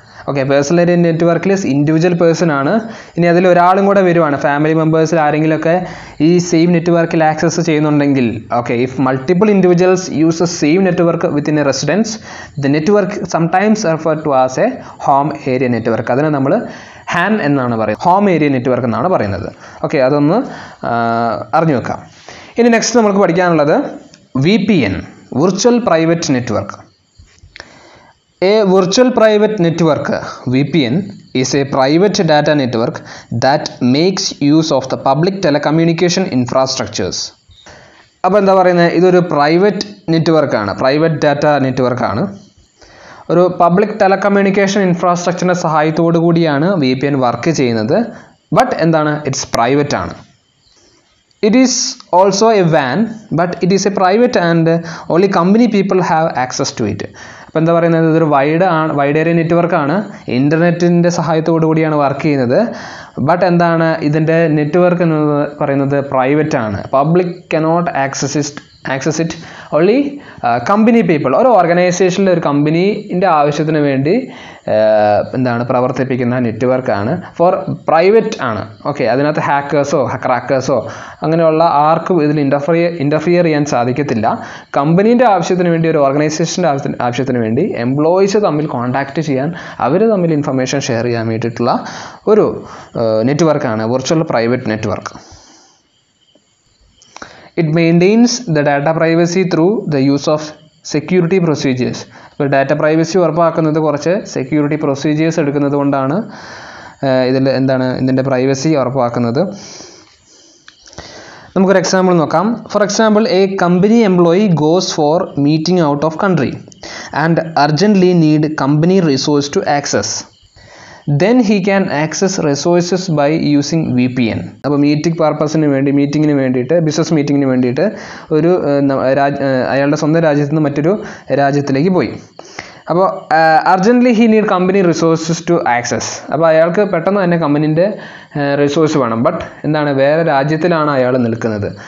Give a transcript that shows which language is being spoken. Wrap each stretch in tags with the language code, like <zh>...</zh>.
<en>Okay, personal area network is individual പേഴ്സണാണ്.</en> <ml>ഇനി അതിൽ ഒരാളും കൂടെ വരുവാണ്, ഫാമിലി മെമ്പേഴ്സിൽ ആരെങ്കിലുമൊക്കെ ഈ സെയിം നെറ്റ്വർക്കിൽ ആക്സസ് ചെയ്യുന്നുണ്ടെങ്കിൽ,</ml> <en>Okay, if multiple individuals use a same network with in a residence the network sometimes refer to as a home area network.</en> <ml>അതിനെ നമ്മൾ ഹാം എന്നാണ് പറയുന്നത്, ഹോം ഏരിയ നെറ്റ്വർക്ക് എന്നാണ് പറയുന്നത്. ഓക്കെ, അതൊന്ന് അറിഞ്ഞു വെക്കാം. ഇനി നെക്സ്റ്റ് നമുക്ക് പഠിക്കാനുള്ളത് VPN, virtual private network.</ml> <en>A virtual private network, VPN, is a private data network that makes use of the public telecommunication infrastructures.</en> <ml>അപ്പോൾ എന്താ പറയുന്നത്, ഇതൊരു പ്രൈവറ്റ് നെറ്റ്വർക്കാണ്, പ്രൈവറ്റ് ഡാറ്റ നെറ്റ്വർക്കാണ്. ഒരു പബ്ലിക് ടെലകമ്മ്യൂണിക്കേഷൻ ഇൻഫ്രാസ്ട്രക്ചറിൻ്റെ സഹായത്തോടു കൂടിയാണ് VPN വർക്ക് ചെയ്യുന്നത്.</ml> <en>But എന്താണ്, it's private ആണ്. It is also A van, but it is A private and only company people have access to it.</en> <ml>ഇപ്പോൾ എന്താ പറയുന്നത്, ഇതൊരു വൈഡ് ഏരിയ നെറ്റ്വർക്കാണ്, ഇൻ്റർനെറ്റിൻ്റെ സഹായത്തോടു കൂടിയാണ് വർക്ക് ചെയ്യുന്നത്. ബട്ട് എന്താണ്, ഇതിൻ്റെ നെറ്റ്വർക്ക് എന്ന് പറയുന്നത് പ്രൈവറ്റ് ആണ്,</ml> <en>public cannot access it, only company people,</en> <ml>ഒരു ഓർഗനൈസേഷനിലെ ഒരു കമ്പനീൻ്റെ ആവശ്യത്തിന് വേണ്ടി എന്താണ് പ്രവർത്തിപ്പിക്കുന്ന നെറ്റ്വർക്കാണ്, ഫോർ പ്രൈവറ്റ് ആണ്. ഓക്കെ, അതിനകത്ത് ഹാക്കേഴ്സോ ക്രാക്കേഴ്സോ അങ്ങനെയുള്ള ആർക്കും ഇതിൽ ഇൻ്റർഫിയർ ചെയ്യാൻ സാധിക്കത്തില്ല. കമ്പനീൻ്റെ ആവശ്യത്തിന് വേണ്ടി, ഒരു ഓർഗനൈസേഷൻ്റെ ആവശ്യത്തിന് വേണ്ടി എംപ്ലോയീസ് തമ്മിൽ കോൺടാക്ട് ചെയ്യാൻ, അവർ തമ്മിൽ ഇൻഫർമേഷൻ ഷെയർ ചെയ്യാൻ വേണ്ടിയിട്ടുള്ള ഒരു നെറ്റ്വർക്കാണ് virtual private network.</ml> <en>It maintains the data privacy through the use of security procedures.</en> <ml>ഇപ്പോൾ ഡാറ്റ പ്രൈവസി ഉറപ്പാക്കുന്നത് കുറച്ച് സെക്യൂരിറ്റി പ്രൊസീജിയേഴ്സ് എടുക്കുന്നത് കൊണ്ടാണ് ഇതിൽ എന്താണ് ഇതിൻ്റെ പ്രൈവസി ഉറപ്പാക്കുന്നത്. നമുക്കൊരു എക്സാമ്പിൾ നോക്കാം.</ml> <en>For example, a company employee goes for meeting out of country and urgently need company resource to access. Then he can access resources by using VPN.</en> <ml>അപ്പോൾ മീറ്റിംഗ് പർപ്പസിന് വേണ്ടി, മീറ്റിങ്ങിന് വേണ്ടിയിട്ട്, ബിസിനസ് മീറ്റിങ്ങിന് വേണ്ടിയിട്ട് ഒരു അയാളുടെ സ്വന്തം രാജ്യത്ത് നിന്ന് മറ്റൊരു രാജ്യത്തിലേക്ക് പോയി.</ml> <en>അപ്പോൾ urgently he need company resources to access.</en> <ml>അപ്പോൾ അയാൾക്ക് പെട്ടെന്ന് തന്നെ കമ്പനീൻ്റെ റിസോഴ്സ് വേണം. ബട്ട് എന്താണ്, വേറെ രാജ്യത്തിലാണ് അയാൾ നിൽക്കുന്നത്.</ml>